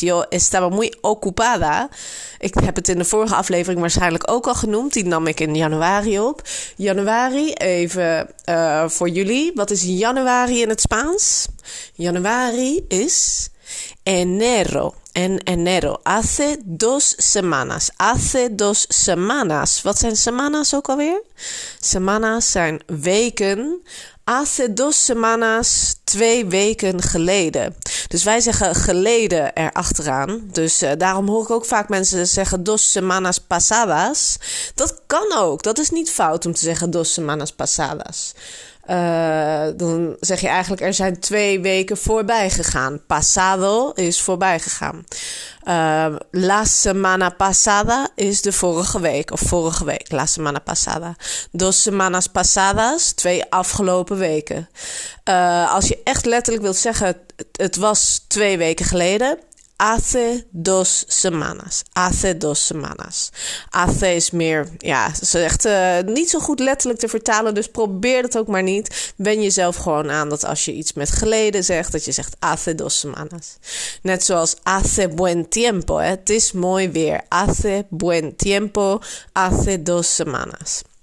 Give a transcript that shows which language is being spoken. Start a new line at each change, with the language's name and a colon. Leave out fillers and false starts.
Spanish: Yo estaba muy ocupada,
Dutch: ik heb het in de vorige aflevering waarschijnlijk ook al genoemd, die nam ik in januari op. Januari, even voor jullie, wat is januari in het Spaans? Januari is enero.
Spanish: En enero, hace dos semanas. Hace dos semanas.
Dutch: Wat zijn semanas ook alweer? Semanas zijn weken.
Spanish: Hace dos semanas,
Dutch: twee weken geleden. Dus wij zeggen geleden erachteraan. Dus daarom hoor ik ook vaak mensen zeggen
Spanish: dos semanas pasadas.
Dutch: Dat kan ook. Dat is niet fout om te zeggen
Spanish: dos semanas pasadas.
Dutch: Dan zeg je eigenlijk, er zijn twee weken voorbij gegaan. Pasado is voorbij gegaan.
Spanish: La semana pasada
Dutch: is de vorige week. Of vorige week,
Spanish: la semana pasada. Dos semanas pasadas,
Dutch: twee afgelopen weken. Als je echt letterlijk wilt zeggen, het was twee weken geleden.
Spanish: Hace dos semanas. Hace dos semanas.
Dutch: Hace is meer, ja, ze zegt niet zo goed letterlijk te vertalen, dus probeer dat ook maar niet. Wen jezelf gewoon aan dat als je iets met geleden zegt, dat je zegt
Spanish: hace dos semanas.
Dutch: Net zoals
Spanish: hace buen tiempo,
Dutch: hè? Het is mooi weer.
Spanish: Hace buen tiempo, hace dos semanas.